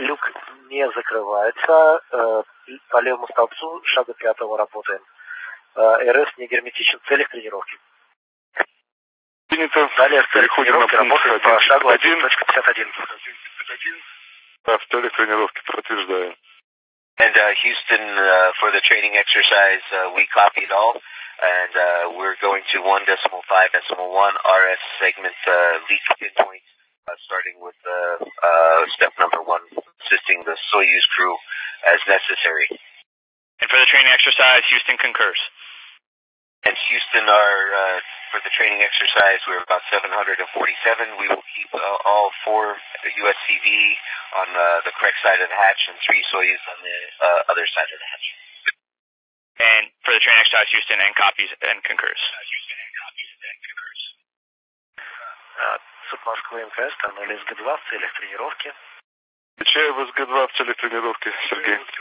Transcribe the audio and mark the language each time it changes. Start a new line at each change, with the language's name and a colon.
Russian: Люк не закрывается. По левому столбцу шага 5 работаем. РС не герметичен в целях тренировки. Принято. Далее в целях тренировки работаем по шагу 1.51. Да, в целях тренировки подтверждаем.
English: And Houston, for the training exercise, we copied all, and we're going to 1.5 decimal 1 RS segment leak pinpoint, starting with step number 1, assisting the Soyuz crew as necessary. And for the training exercise, Houston concurs. And Houston, for the training exercise, we're about 747. We will keep all 4 USCV on the correct side of the hatch and 3 Soyuz on the other side of the hatch. And for the training exercise, Houston, and copies and concurs.
Russian: Суд Москвы МКС, канал СГ-2 в целях тренировки. Отвечаю в СГ-2 в целях тренировки, Сергей.